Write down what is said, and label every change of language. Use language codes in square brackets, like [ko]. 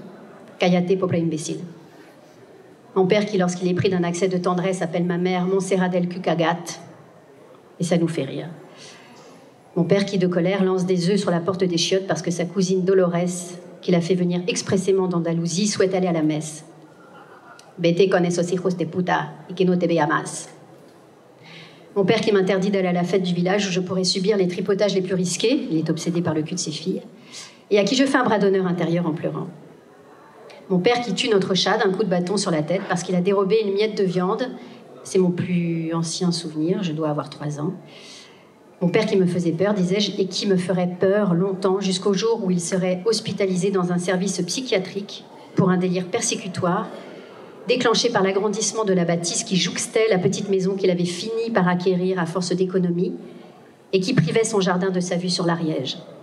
[es] « Kayate, popla imbécile [fr] ». Mon père qui, lorsqu'il est pris d'un accès de tendresse, appelle ma mère Montserrat del Cucagat. Et ça nous fait rire. Mon père, qui de colère, lance des œufs sur la porte des chiottes parce que sa cousine Dolores, qui l'a fait venir expressément d'Andalousie, souhaite aller à la messe. [es] Vete con esos hijos de puta y que no te vea más. [fr] Mon père, qui m'interdit d'aller à la fête du village où je pourrais subir les tripotages les plus risqués, il est obsédé par le cul de ses filles, et à qui je fais un bras d'honneur intérieur en pleurant. Mon père qui tue notre chat d'un coup de bâton sur la tête parce qu'il a dérobé une miette de viande. C'est mon plus ancien souvenir, je dois avoir 3 ans. Mon père qui me faisait peur, disais-je, et qui me ferait peur longtemps jusqu'au jour où il serait hospitalisé dans un service psychiatrique pour un délire persécutoire, déclenché par l'agrandissement de la bâtisse qui jouxtait la petite maison qu'il avait fini par acquérir à force d'économie et qui privait son jardin de sa vue sur l'Ariège.